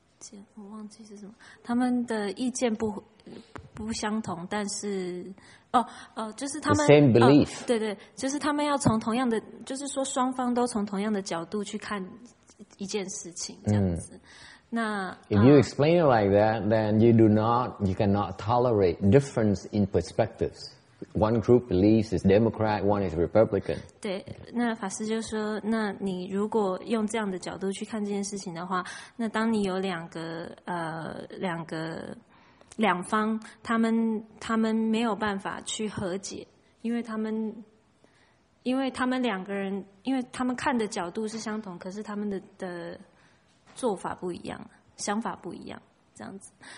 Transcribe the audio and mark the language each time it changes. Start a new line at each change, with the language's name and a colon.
Chinese: 见，我忘记是什么，他们的意见不相同，但是就是他们
English: same belief，
Chinese: 对对，就是他们要从同样的，就是说双方都从同样的角度去看一件事情这样子。那
English: if you explain it like that, then you cannot tolerate difference in perspectives. One group believes is Democrat, one is Republican.
Chinese: 对，那法师就说，那你如果用这样的角度去看这件事情的话，那当你有两方，他们没有办法去和解，因为他们两个人，因为他们看的角度是相同，可是他们的做法不一样，想法不一样，这样子。